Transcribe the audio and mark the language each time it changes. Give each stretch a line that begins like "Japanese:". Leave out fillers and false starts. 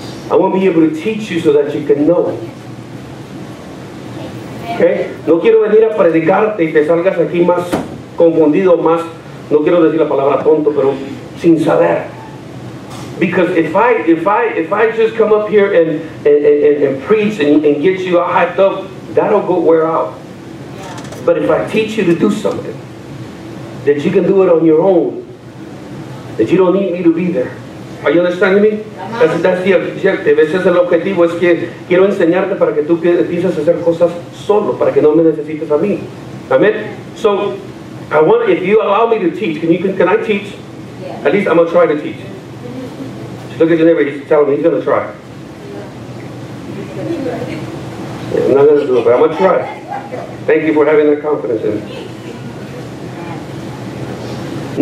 English: I want to be able to teach you so that you can know. Okay?
Spanish: No quiero venir a predicarte y te salgas aquí más confundido, más, no quiero decir la palabra tonto, pero sin saber.
English: Because if I just come up here and preach and get you all hyped up, that'll go wear out. But if I teach you to do something, that you can do it on your own, that you don't need me to be there. Are you understanding me? Uh-huh. That's the objective.
Spanish: Ese es el objetivo. Es que quiero enseñarte para que tú empieces a hacer cosas solo, para que no me necesites a mí.
English: Amen. So, I want, if you allow me to teach, can I teach? Yeah. At least I'm going to try to teach. Look at your neighbor, he's telling me he's going to try. I'm not going to do it, but I'm going to try. Thank you for having that confidence in me.